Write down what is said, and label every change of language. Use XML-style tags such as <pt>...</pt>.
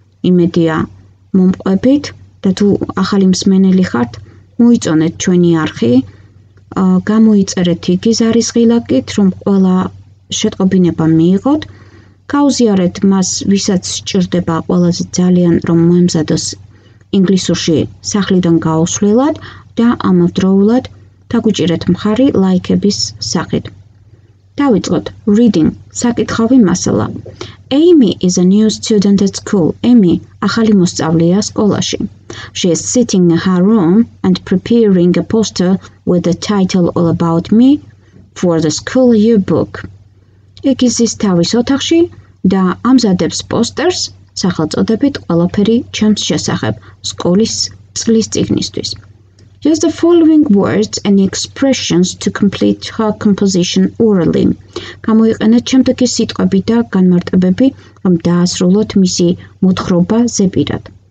<ka>იმედია მომყვებით და თუ ახალი მსმენელი ხართ, მოიწონეთ ჩვენი არხი, გამოიწერეთ იგი ზარისხილაკით, რომ ყველა შეტყობინება მიიღოთ. გაუზიარეთ მას, ვისაც სჭირდება ყველაზე ძალიან, რომ მოემზადოს ინგლისურში სახლიდან გაუსვლელად და ამავდროულად დაგუჭირეთ მხარი ლაიქების სახით. დავიწყოთ. Reading. საკითხავი მასალა.</ka> <en>Amy is a new student at school.</en> <ka>Amy ახალი მოსწავლეა სკოლაში.</ka> <en>She is sitting in her room and preparing a poster with the title All About Me for the school yearbook.</en> <ka>იგი ზის თავის ოთახში და ამზადებს პოსტერს სახელწოდებით ყველაფერი ჩემს შესახებ სკოლის წლის წიგნისთვის.</ka> <en>Use the following words and expressions to complete her composition orally.</en> <ka>გამოიყენეთ შემდეგი სიტყვები და განმარტებები, რომ დაასრულოთ მისი მოთხრობა ზეპირად.</ka>